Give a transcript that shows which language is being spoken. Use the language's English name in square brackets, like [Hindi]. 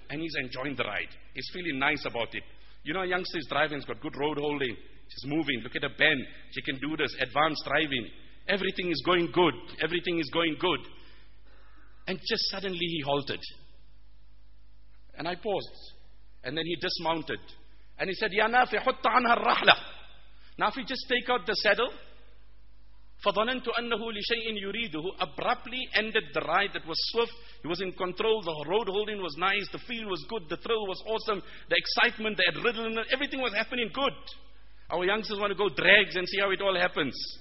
[English] And he's enjoying the ride. He's feeling nice about it. You know, a youngster is driving, he's got good road holding. She's moving. Look at her bend. She can do this. Advanced driving. Everything is going good. Everything is going good. And just suddenly he halted. And I paused. And then he dismounted. And he said, [Arabic] يَا نَافِ حُطَّ عَنْهَا الرَّحْلَةِ. [English] Now if you just take out the saddle, [Arabic] فَظَنَنْتُ أَنَّهُ لِشَيْءٍ يُرِيدُهُ. [English] Abruptly ended the ride that was swift. He was in control. The road holding was nice. The feel was good. The thrill was awesome. The excitement, the adrenaline, everything was happening good. Our youngsters want to go drags and see how it all happens.